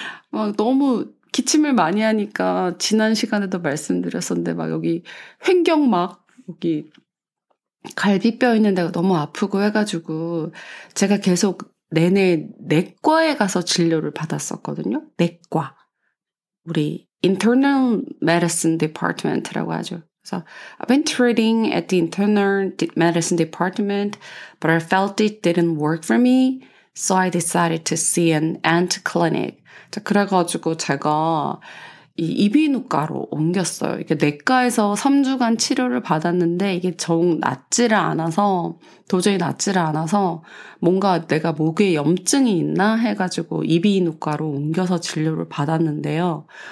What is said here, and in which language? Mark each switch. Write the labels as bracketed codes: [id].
[ko] 막 너무 기침을 많이 하니까 지난 시간에도 말씀드렸었는데 막 여기 횡격막 여기 갈비뼈 있는 데가 너무 아프고 해가지고 제가 계속 내내 내과에 가서 진료를 받았었거든요. 내과. 우리 Internal Medicine Department라고 하죠. [en] So I've been treating at the Internal Medicine Department, but I felt it didn't work for me, so I decided to see an ENT clinic. [ko] 자, 그래가지고 제가 이 이비인후과로 옮겼어요. 이게 내과에서 3주간 치료를 받았는데 이게 정 낫지를 않아서 도저히 낫지를 않아서 뭔가 내가 목에 염증이 있나 해가지고 이비인후과로 옮겨서 진료를 받았는데요.